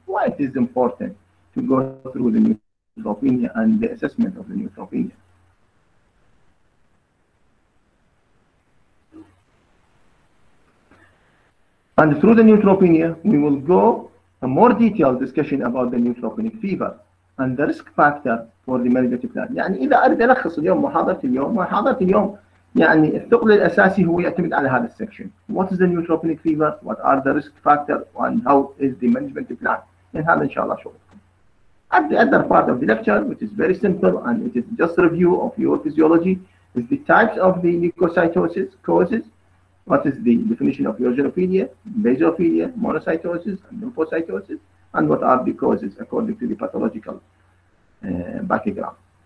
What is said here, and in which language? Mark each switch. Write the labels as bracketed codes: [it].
[en] Why it is important to go through the neutropenia and the assessment of the neutropenia. And through the neutropenia, we will go a more detailed discussion about the neutropenic fever and the risk factor for the meningitis plan. [ar] يعني إذا أريد ألخص اليوم محاضرة اليوم محاضرة اليوم يعني الثقل الأساسي هو يعتمد على هذا السكشن. [en] What is the neutropenic fever? What are the risk factors? And how is the management plan? [ar] And هذا إن شاء الله شغلكم. [en] At the other part of the lecture, which is very simple and it is just review of your physiology, is the types of the leukocytosis causes. What is the definition of eosinophilia, basophilia, monocytosis, and lymphocytosis? And what are the causes according to the pathological background.